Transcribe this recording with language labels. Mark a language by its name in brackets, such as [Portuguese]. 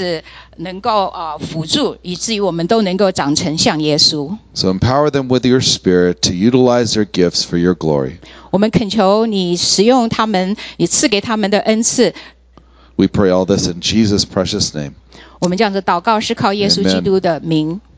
[Chinese] 我们彼此能够辅助, 以至于我们都能够长成像耶稣。 [English] So empower them with your spirit to utilize their gifts for your glory. [Chinese] 我们恳求你使用他们, 你赐给他们的恩赐。 [English] We pray all this in Jesus' precious name. [Chinese] 我们这样子祷告是靠耶稣基督的名。